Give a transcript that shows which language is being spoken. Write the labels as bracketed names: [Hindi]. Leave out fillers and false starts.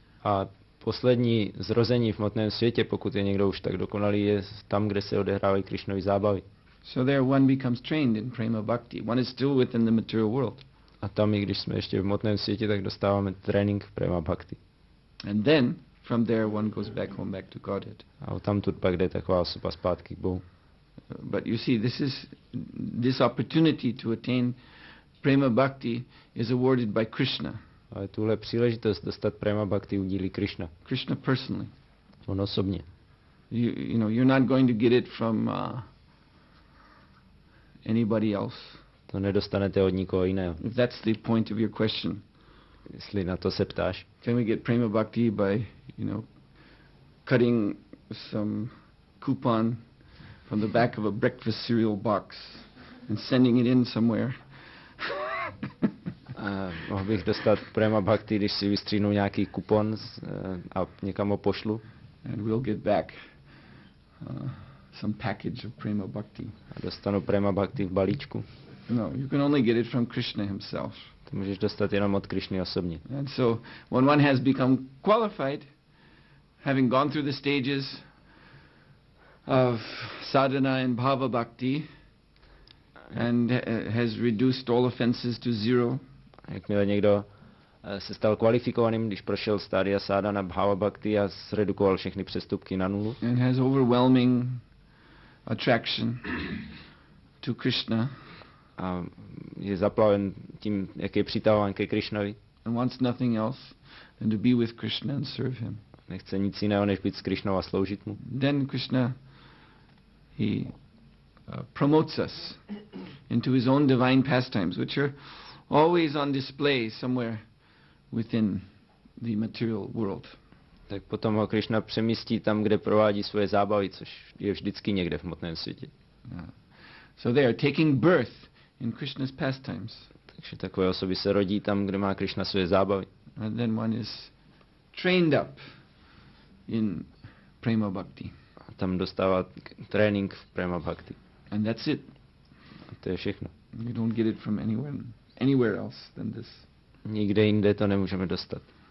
[Czech] A poslední zrození v hmotném světě, pokud je někdo už tak dokonalý, je tam, kde se odehrávají Krishnovy zábavy. [English] So there one becomes trained in prema bhakti. One is still within the material world. [Czech] A tam, i když jsme ještě v hmotném světě, tak dostáváme trénink prema bhakti. [English] And then from there one goes back home, back to Godhead. [Czech] A odtamtud pak jde taková osoba zpátky k Bohu. [English] But you see, this opportunity to attain prema bhakti is awarded by Krishna. [Czech] Ale tuhle příležitost dostat prema bhakti udílí Krishna. [English] Krishna personally. [Czech] On osobně. [English] You know, you're not going to get it from anybody else. [Czech] To nedostanete od nikoho jiného. [English] If that's the point of your question. [Czech] Jestli na to se ptáš. [English] Can we get prema bhakti by, you know, cutting some coupon from the back of a breakfast cereal box and sending it in somewhere? [Czech] Mohl bych dostat prema bhakti, když si vystřínu nějaký kupon a někam ho pošlu. [English] And we'll get back some package of prema bhakti. [Czech] A dostanu prema bhakti v balíčku. [English] No, you can only get it from Krishna himself. [Czech] To můžeš dostat jenom od Krishny osobně. [English] And so, when one has become qualified, having gone through the stages of sadhana and bhava bhakti, and has reduced all offenses to zero. [Czech] Jakmile někdo se stal kvalifikovaným, když prošel stádia sadhana bhava bhakti a zredukoval všechny přestupky na nulu. [English] And has overwhelming attraction to Krishna. [Czech] A je zaplaven tím, jak je přitahován ke Krishnovi. [English] And wants nothing else than to be with Krishna and serve him. [Czech] Nechce nic jiného, než být s Krishnou a sloužit mu. [English] Then Krishna, he promotes us into his own divine pastimes, which are always on display somewhere within the material world. [Czech] Tak potom ho Krishna přemístí tam, kde provádí svoje zábavy, což je vždycky někde v hmotném světě. [English] So they are taking birth in Krishna's pastimes. [Czech] Takže takové osoby se rodí tam, kde má Krishna svoje zábavy. [English] And then one is trained up in prema bhakti. [Czech] A tam dostává trénink v prema bhakti. [English] And that's it. [Czech] A to je všechno. [English] You don't get it from anywhere else than this. [Czech] Nikde jinde to nemůžeme dostat.